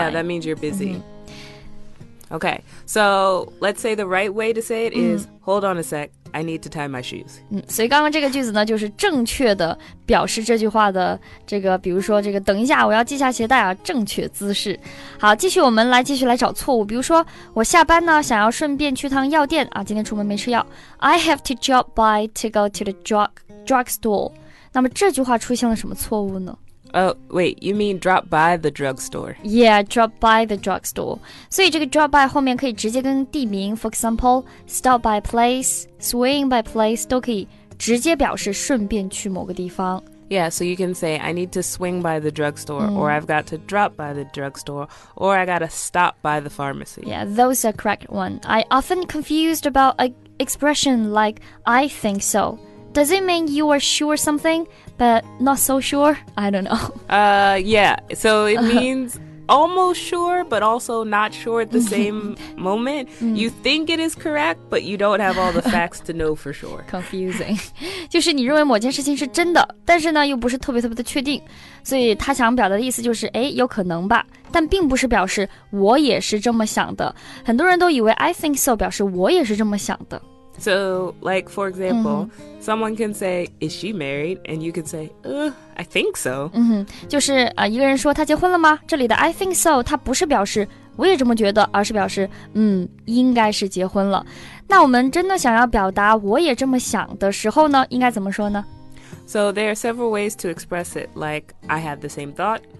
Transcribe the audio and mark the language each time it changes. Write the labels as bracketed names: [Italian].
[English] Yeah, that means you're busy.、Mm-hmm. Okay, so let's say the right way to say it is,、hold on a sec, I need to tie my shoes.、 [Chinese] 所以刚刚这个句子呢，就是正确的表示这句话的这个，比如说这个等一下我要系下鞋带啊，正确姿势。好，继续我们来继续来找错误。比如说我下班呢，想要顺便去趟药店啊，今天出门没吃药。 I have to drop by to go to the drugstore. 那么这句话出现了什么错误呢？ [English] Wait, you mean drop by the drugstore? Yeah, drop by the drugstore. [Chinese] 所以这个 drop by 后面可以直接跟地名 [English] for example, stop by place, [Chinese] swing by place, 都可以直接表示顺便去某个地方。 [English] Yeah, so you can say, I need to swing by the drugstore, or I've got to drop by the drugstore, or I got to stop by the pharmacy. Yeah, those are correct ones. I often confused about an expression like, I think so. Does it mean you are sure something, but not so sure? I don't know. Yeah, so it means... Almost sure, but also not sure at the same moment. You think it is correct, but you don't have all the facts to know for sure. Confusing. [Chinese] 就是你认为某件事情是真的，但是呢，又不是特别特别的确定。所以他想表达的意思就是，哎，有可能吧，但并不是表示我也是这么想的。很多人都以为 [English] I think so [Chinese] 表示我也是这么想的。 [English] So, like, for example, someone can say, is she married? And you can say, I think so. [Chinese] 就是、一个人说他结婚了吗？这里的 [English] I think so, [Chinese] 它不是表示我也这么觉得，而是表示应该是结婚了。那我们真的想要表达我也这么想的时候呢，应该怎么说呢？ [English] So there are several ways to express it, like, I had the same thought.